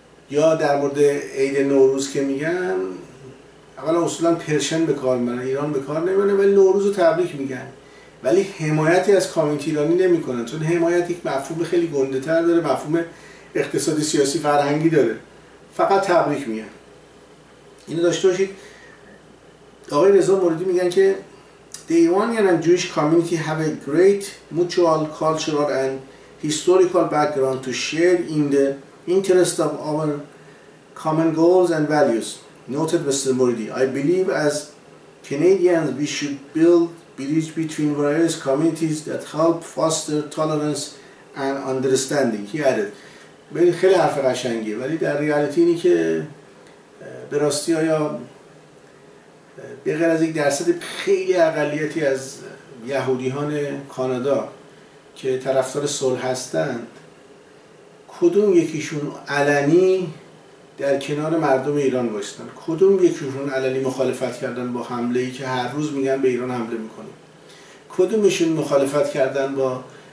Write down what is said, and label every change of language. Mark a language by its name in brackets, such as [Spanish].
[Persian] یا در مورد عید نوروز که میگن اولا اصولا پرشن به کار میبرن ایران به کار نمیبرن ولی نوروز رو تبریک میگن ولی حمایتی از کامیونیتی ایرانی نمی کنن چون حمایت یک مفهوم خیلی گنده تر داره مفهوم اقتصادی سیاسی فرهنگی داره فقط تبریک میگن اینو داشته باشید آقای رضا موردی میگن که [English] The Iranian and Jewish community have a great mutual cultural and historical background to share in the interest of our common goals and values noted Mr. Moridi I believe as Canadians we should build bridge between various communities that help foster tolerance and understanding. He added. [Persian] ببینید خیلی حرف قشنگیه ولی در ریالیتی اینی که به راستی آیا به غیر از یک درصد خیلی اقلیتی از یهودیان کانادا که طرفدار صلح هستند کدوم یکیشون علنی در کنار مردم ایران وایستن کدوم یکیشون علنی مخالفت کردن با حمله ای که هر روز میگن به ایران حمله میکنن کدومشون مخالفت کردن با